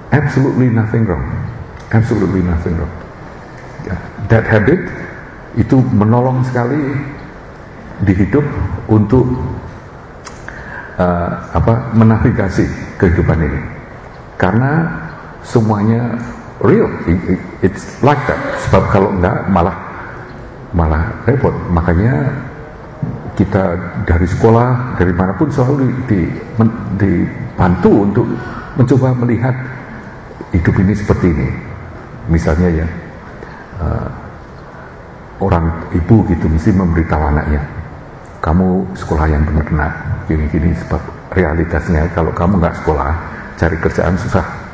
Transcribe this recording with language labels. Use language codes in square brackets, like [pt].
[en] Absolutely nothing wrong. Yeah. That habit [id] itu menolong sekali di hidup untuk menavigasi kehidupan ini. Karena semuanya [en] real, it's like that. [id] Sebab kalau enggak malah repot. Makanya kita dari sekolah, dari manapun selalu dibantu untuk mencoba melihat hidup ini seperti ini. Misalnya ya, orang ibu gitu mesti memberitahu anaknya, kamu sekolah yang benar nak, gini-gini, sebab realitasnya kalau kamu enggak sekolah, cari kerjaan susah.